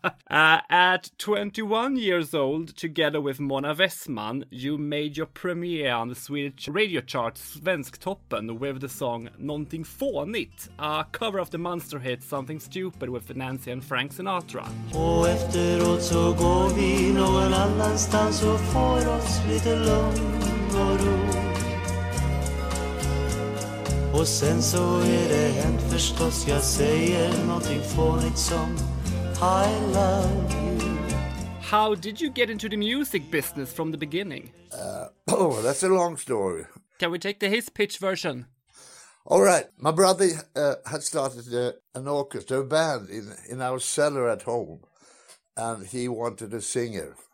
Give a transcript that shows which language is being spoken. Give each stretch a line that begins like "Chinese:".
English: At 21 years old, together with Mona Westman, you made your premiere on the Swedish radio chart Svensktoppen with the song Någonting Fånigt, a cover of the monster hit Something Stupid with Nancy and Frank Sinatra.
Swedish: Och efteråt så går vi någon annanstans och får oss lite lugn och ro. Och sen så är det hänt förstås, jag säger någonting fånigt som
English: I love you. How did you get into the music business from the beginning? That's a long story. Can we take the his pitch version? All right. My brother had started an orchestra, a band in our cellar at home, and he wanted a singer.